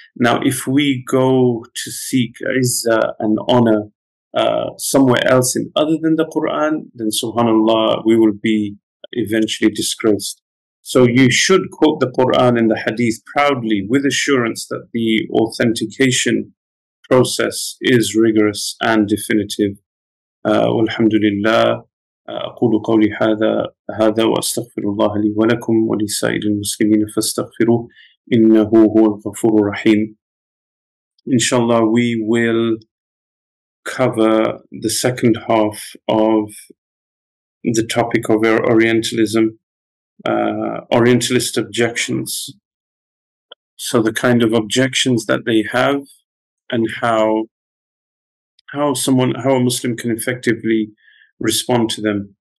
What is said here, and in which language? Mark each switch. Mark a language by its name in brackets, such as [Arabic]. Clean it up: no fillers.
[English] Now, if we go to seek izzah and honor somewhere else in other than the Quran, then subhanAllah, we will be eventually disgraced. So you should quote the Quran and the Hadith proudly with assurance that the authentication process is rigorous and definitive. Alhamdulillah. [Arabic] أقول قولي هذا وأستغفر الله لي ولكم ولسائر المسلمين فاستغفروه إنه هو الغفور الرحيم. [English] Inshallah, we will cover the second half of the topic of our Orientalism, Orientalist objections. So the kind of objections that they have and how a Muslim can effectively respond to them.